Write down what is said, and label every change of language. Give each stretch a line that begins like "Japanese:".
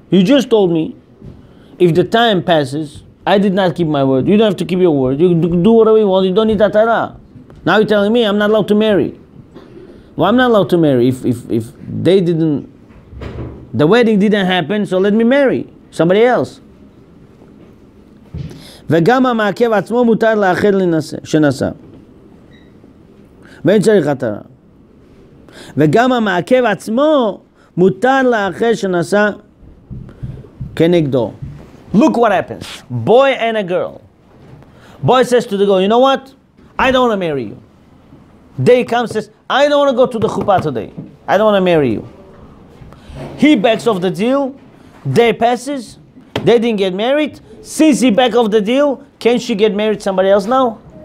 English: You just told me, if the time passes, I did not keep my word. You don't have to keep your word. You do whatever you want. You don't need atara. Now you're telling me I'm not allowed to marry. Well, I'm not allowed to marry if they didn't, the wedding didn't happen, so let me marry somebody else.
Hebrew: וגם המעכב עצמו מותר לאחר שנסע. ואין צריך אתרה. וגם המעכב עצמו מותר לאחר שנסע כנגדו.
English: Look what happens. Boy and a girl. Boy says to the girl, you know what? I don't want to marry you. Day comes, says, I don't want to go to the chuppah today. I don't want to marry you. He backs off the deal. Day passes. They didn't get married. Since he back off the deal, can she get married to somebody else now?